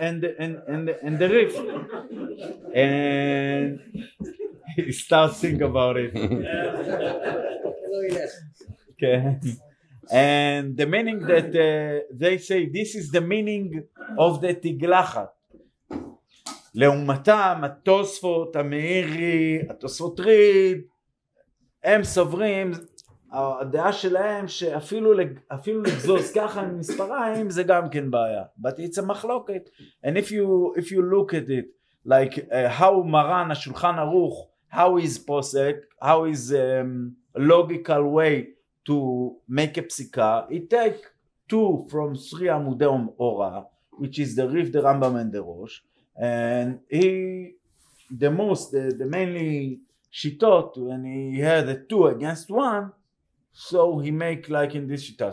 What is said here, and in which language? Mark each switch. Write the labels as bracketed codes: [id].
[en] and the Rif. And he starts thinking about it. Okay. And the meaning that they say, this is the meaning of the Tiglachat. [he] Leumatam, Atosfot, Ameiri, Atosfot Rid, Em Sovrim, הדעה שלהם שאפילו לגזוז ככה ממספריים זה גם כן בעיה. [en] But it's a מחלוקת. And if you look at it, like how מרן, השולחן ערוך, how is פוסק, how is logical way to make a פסיקה, it takes 2 from 3 עמודי אורה, which is the Rif, the Rambam and the Rosh, and he, the most, the mainly שיטות, and he had a 2 against 1, so he make like in this shita.